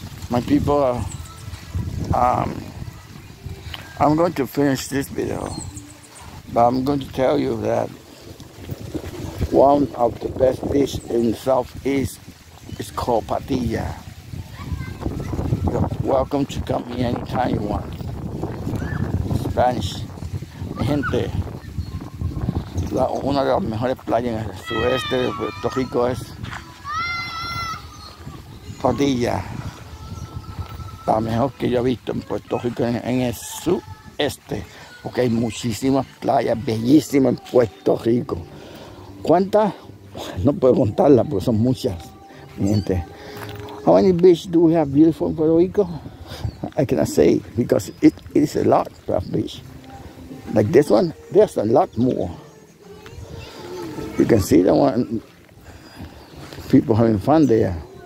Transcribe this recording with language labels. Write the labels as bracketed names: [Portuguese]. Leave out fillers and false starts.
[English] My people, I'm going to finish this video, but I'm going to tell you that one of the best dish in the Southeast is called Patilla. You're welcome to come here anytime you want. Spanish, gente, [Spanish] una de las mejores playas en el sureste de Puerto Rico es Patillas. La mejor que yo he visto en Puerto Rico en el sureste, porque hay muchísimas playas bellísimas en Puerto Rico. ¿Cuántas? No puedo contarlas porque son muchas. Miente. [English] How many beaches do we have beautiful in Puerto Rico? I cannot say because it is a lot of beach. Like this one, there's a lot more. You can see the one, people having fun there.